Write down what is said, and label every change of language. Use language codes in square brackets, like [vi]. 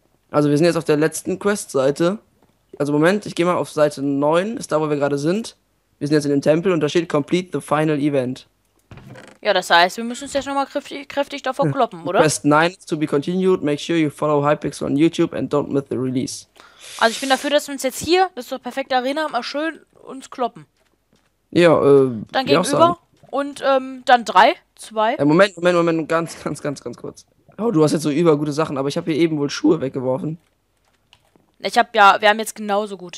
[de] Also wir sind jetzt auf der letzten Questseite. Also Moment, ich gehe mal auf Seite 9. Ist da, wo wir gerade sind. Wir sind jetzt in dem Tempel und da steht Complete the Final Event. Ja, das heißt, wir müssen uns jetzt nochmal kräftig davor kloppen, oder? [en] Quest 9 to be continued. Make sure you follow Hypixel on YouTube and don't miss the release. [de] Also ich bin dafür, dass wir uns jetzt hier, das ist doch perfekte Arena, mal schön uns kloppen. Ja, dann gegenüber und dann 3, 2. Ja, Moment, ganz kurz. Oh, du hast jetzt so übergute Sachen, aber ich habe hier eben wohl Schuhe weggeworfen. Wir haben jetzt genauso gut.